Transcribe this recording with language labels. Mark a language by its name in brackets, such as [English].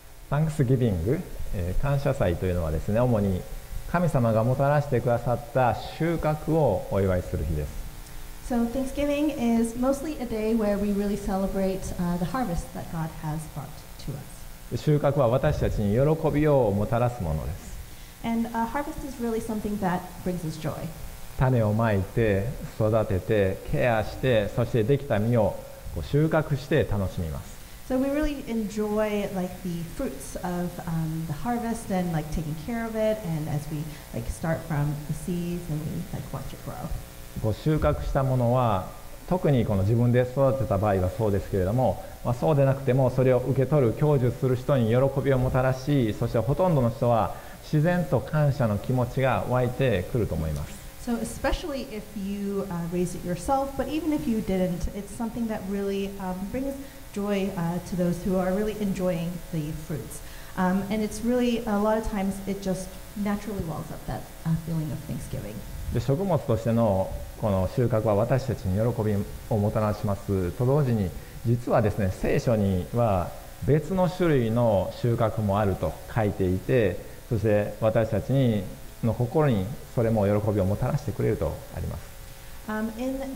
[Japanese] サンクスギビング、感謝祭というのはですね、主に神様がもたらしてくださった収穫をお祝いする日です。 [English] So Thanksgiving is mostly a day where we really celebrate the harvest that God has brought to us. [Japanese] 収穫は私たちに喜びをもたらすものです。 [English] And a harvest is really something that brings us joy. [Japanese] 種をまいて、育てて、ケアして、そしてできた実をこう収穫して楽しみます。 [English] So we really enjoy like the fruits of the harvest and like taking care of it and as we like start from the seeds and we like watch it grow. [Japanese] こう収穫したものは特にこの自分で育てた場合はそうですけれども、まあ、そうでなくてもそれを受け取る享受する人に喜びをもたらし、そしてほとんどの人は自然と感謝の気持ちが湧いてくると思います。 [English] So especially if you raise it yourself, but even if you didn't, it's something that really brings joy to those who are really enjoying the fruits. And it's really, a lot of times, it just naturally wells up that feeling of thanksgiving. [Japanese] で、食物としてのこの収穫は私たちに喜びをもたらしますと同時に、実はですね、聖書には別の種類の収穫もあると書いていて、そして私たちにの心にそれも喜びをもたらしてくれるとあります。